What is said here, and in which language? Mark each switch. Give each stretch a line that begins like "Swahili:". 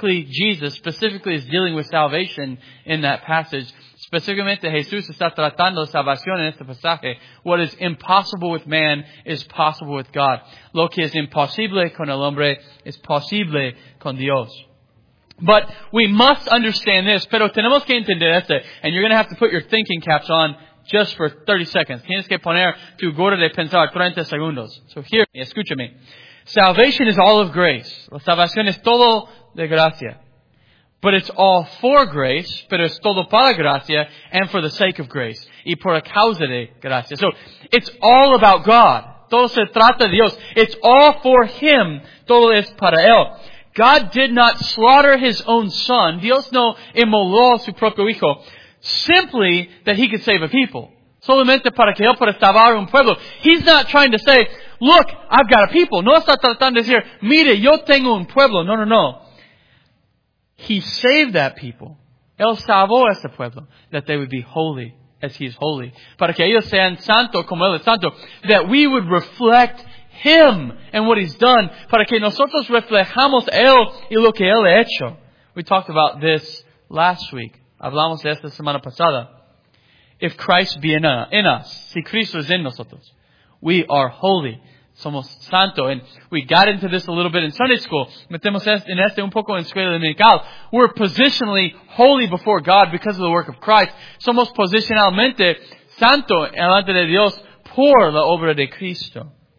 English: Jesus specifically is dealing with salvation in that passage.
Spanish: Específicamente, Jesús está tratando salvación en este pasaje.
English: What is impossible with man is possible with God.
Spanish: Lo que es imposible con el hombre es posible con Dios.
English: But we must understand this.
Spanish: Pero tenemos que entender esto.
English: And you're going to have to put your thinking caps on just for 30 seconds.
Spanish: Tienes que poner tu gorra de pensar 30 segundos.
English: So hear me,
Spanish: escúchame.
English: Salvation is all of grace.
Spanish: La salvación es todo de gracia.
English: But it's all for grace,
Spanish: pero es todo para gracia,
English: and for the sake of grace,
Spanish: y por causa de gracia.
English: So, it's all about God.
Spanish: todo se trata de Dios.
English: It's all for Him.
Spanish: Todo es para Él.
English: God did not slaughter His own Son.
Spanish: Dios no inmoló a su propio Hijo.
English: Simply that He could save a people.
Spanish: Solamente para que Él pueda salvar un pueblo.
English: He's not trying to say, look, I've got a people.
Spanish: No está tratando de decir, mire, yo tengo un pueblo.
English: No, no, no. He saved that people.
Spanish: Él salvó a ese pueblo.
English: That they would be holy as He is holy.
Spanish: Para que ellos sean santo como Él es santo.
English: That we would reflect Him and what He's done.
Spanish: Para que nosotros reflejamos Él y lo que Él ha hecho.
English: We talked about this last week.
Spanish: Hablamos de esta semana pasada.
English: If Christ be in us,
Spanish: si Cristo es en nosotros,
English: we are holy.
Spanish: Somos santo.
English: And we got into this a little bit in Sunday school.
Spanish: Metemos en este un poco en escuela dominical.
English: We're positionally holy before God because of the work of Christ.
Spanish: Somos posicionalmente santo delante de Dios por la obra de Cristo.